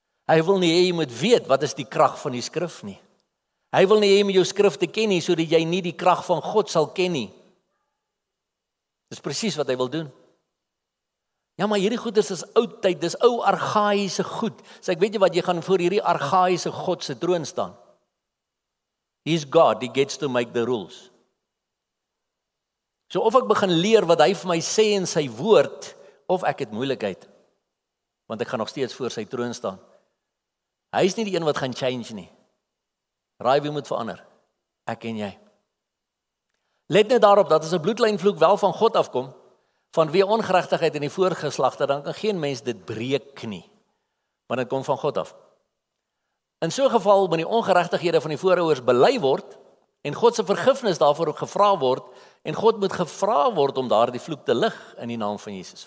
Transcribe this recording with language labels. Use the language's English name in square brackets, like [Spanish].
[Afrikaans] Hy wil nie, jy moet weet, wat is die krag van die skrif nie. Hy wil nie, jy moet jou skrif te ken nie, so dat jy nie die krag van God sal ken nie. Dis precies wat hy wil doen. Ja, maar hierdie goed is oud tyd, dis ou argaïse goed. So ek weet jy wat, jy gaan voor hierdie argaïse God se troon staan. [English] He's God, he gets to make the rules. [Afrikaans] So of ek begin leer wat hy vir my sê in sy woord, of ek het moeilikheid, want ek gaan nog steeds voor sy troon staan. Hy is nie die een wat gaan change nie. Raai wie moet verander, ek en jy. Let net daarop dat as een bloedlijnvloek wel van God afkom, van wie ongerechtigheid in die voorgeslagte, dan kan geen mens dit breek nie, want het kom van God af. In so geval, wanneer die ongerechtighede van die voorouers bely word, en Godse vergifnis daarvoor ook gevra word, en God moet gevra word om daar die vloek te lig in die naam van Jesus.